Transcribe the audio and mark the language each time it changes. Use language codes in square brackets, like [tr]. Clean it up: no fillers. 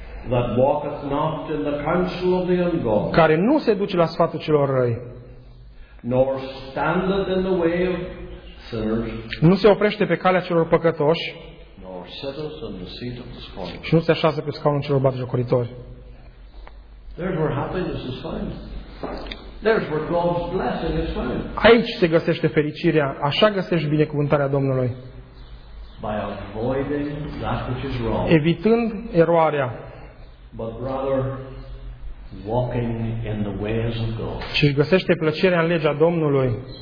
[en] That walketh not in the counsel of the ungodly. [ro] Care nu se duce la sfatul celor răi. [en] Nor standeth in the way of sinners. [ro] Nu se oprește pe calea celor păcătoși. [en] Nor sitteth in the seat of the scornful. [ro] Și nu se așează pe scaunul celor batjocoritori. [en] Therefore happiness is found. There's where God's blessing is found. [ro] Aici se găsește fericirea, așa găsești binecuvântarea Domnului. [en] By avoiding that which is wrong. [ro] Evitând eroarea. [en] But rather walking in the ways of God. [ro] Și găsește plăcerea în legea Domnului.